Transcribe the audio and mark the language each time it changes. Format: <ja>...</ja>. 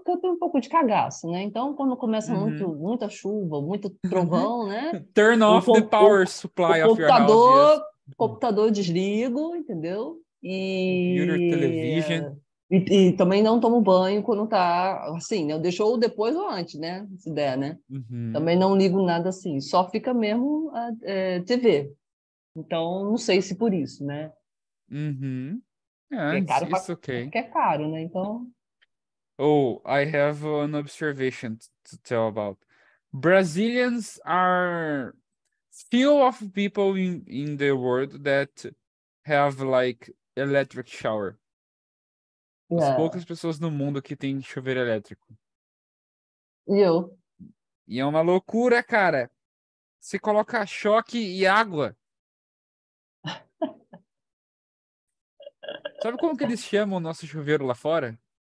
<pt>porque eu tenho um pouco de cagaço, né? Então, quando começa muita chuva, muito trovão, né?</pt> <en>Turn off the power supply of your house.</en> <pt>Yes. Computador desligo, entendeu? E</pt> <en>computer, television.</en> <pt>E também não tomo banho quando tá assim, né? Eu deixo ou depois ou antes, né? Se der, né? Uhum. Também não ligo nada assim, só fica mesmo a TV. Então, não sei se por isso, né?</pt> <en>Uhum. Yeah, it's okay.</en> <pt>Que é caro, né? Então.</pt> <en>Oh, I have an observation to tell about. Brazilians are few of people in the world that have like electric shower. Yeah.</en> <pt>As poucas pessoas no mundo que tem chuveiro elétrico. E eu? E é uma loucura, cara. Você coloca choque e água. Sabe como que eles chamam o nosso chuveiro lá fora?</pt>